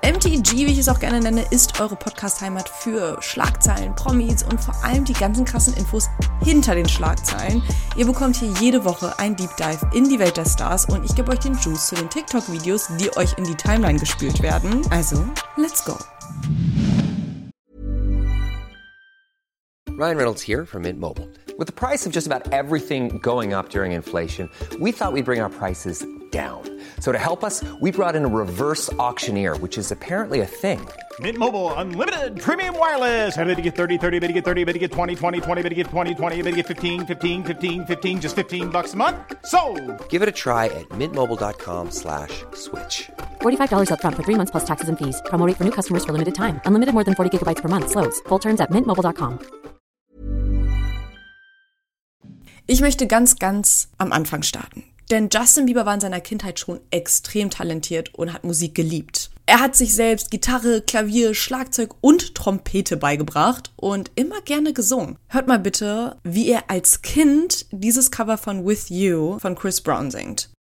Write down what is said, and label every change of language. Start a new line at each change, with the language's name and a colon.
German: MTG, wie ich es auch gerne nenne, ist eure Podcast-Heimat für Schlagzeilen, Promis und vor allem die ganzen krassen Infos hinter den Schlagzeilen. Ihr bekommt hier jede Woche ein Deep Dive in die Welt der Stars und ich gebe euch den Juice zu den TikTok-Videos, die euch in die Timeline gespült werden.
English: Also, let's go! Ryan Reynolds here from Mint Mobile. With the price of just about everything going up during inflation, we thought we'd bring our prices down. So to help us, we brought in a reverse auctioneer, which is apparently a thing. Mint Mobile Unlimited Premium Wireless. How to get 30, 30, how to get 30, how to get 20, 20, 20, how to get 20, 20, how to get 15, 15, 15, 15, just $15 a month? Sold! Give it a try at mintmobile.com/switch. $45 up front for 3 months plus taxes and fees. Promo rate for new customers for limited time. Unlimited more than 40 gigabytes per month. Slows full terms at mintmobile.com.
German: Ich möchte ganz, ganz am Anfang starten. Denn Justin Bieber war in seiner Kindheit schon extrem talentiert und hat Musik geliebt. Er hat sich selbst Gitarre, Klavier, Schlagzeug und Trompete beigebracht und immer gerne gesungen. Hört mal bitte, wie er als Kind dieses Cover von With You von Chris Brown singt.